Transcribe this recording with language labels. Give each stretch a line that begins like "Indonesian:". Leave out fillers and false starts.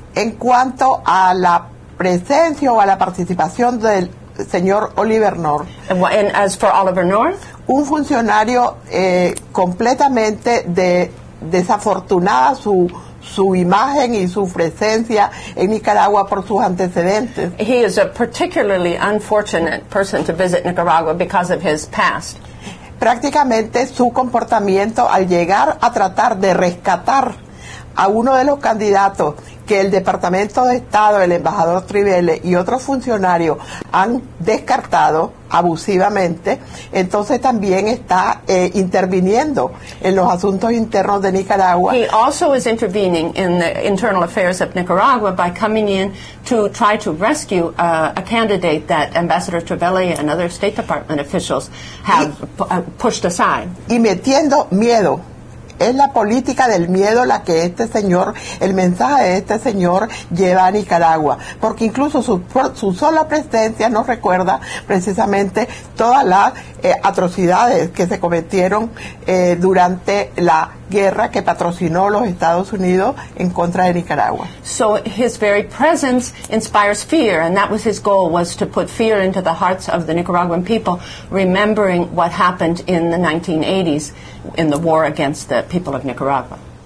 Spanish: En cuanto a la presencia o a la participación del señor Oliver North.
English: And as for Oliver North?
Spanish: Un funcionario completamente desafortunada su imagen y su presencia en Nicaragua por sus antecedentes.
English: He is a particularly unfortunate person to visit Nicaragua because of his past.
Spanish: Prácticamente su comportamiento al llegar a tratar de rescatar a uno de los candidatos que el Departamento de Estado, el embajador Trivelles y otros funcionarios han descartado abusivamente, entonces también está interviniendo en los asuntos internos de Nicaragua.
English: He also is intervening in the internal affairs of Nicaragua by coming in to try to rescue a candidate that Ambassador Trivelles and other State Department officials have pushed aside.
Spanish: Y metiendo miedo. Es la política del miedo la que el mensaje de este señor lleva a Nicaragua. Porque incluso su sola presencia nos recuerda precisamente todas las atrocidades que se cometieron durante la guerra que patrocinó los Estados Unidos en contra de Nicaragua.
English: So his very presence inspires fear, and that was his goal, was to put fear into the hearts of the Nicaraguan people, remembering what happened in the 1980s in the war against the people of Nicaragua.